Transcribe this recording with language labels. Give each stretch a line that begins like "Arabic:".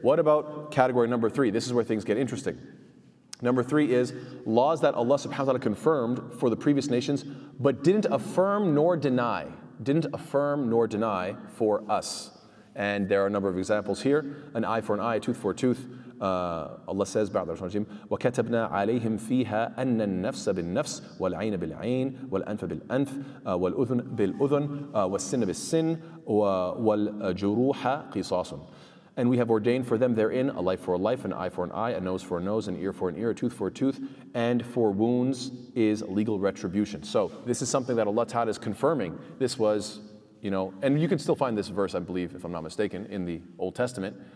English: What about category number three? This is where things get interesting. Number three is laws that Allah subhanahu wa ta'ala confirmed for the previous nations, but didn't affirm nor deny. Didn't affirm nor deny for us. And there are a number of examples here. An eye for an eye, a tooth for a tooth.
Arabic: Allah says, بعد رسول الله وكتبنا عليهم فيها أن النفس بالنفس والعين بالعين والأنف بالأنف والأذن بالأذن والسن بالسن والجروح قصاص.
English: And we have ordained for them therein a life for a life, an eye for an eye, a nose for a nose, an ear for an ear, a tooth for a tooth, and for wounds is legal retribution. So this is something that Allah Ta'ala is confirming. This was, you know, and you can still find this verse, I believe, if I'm not mistaken, in the Old Testament.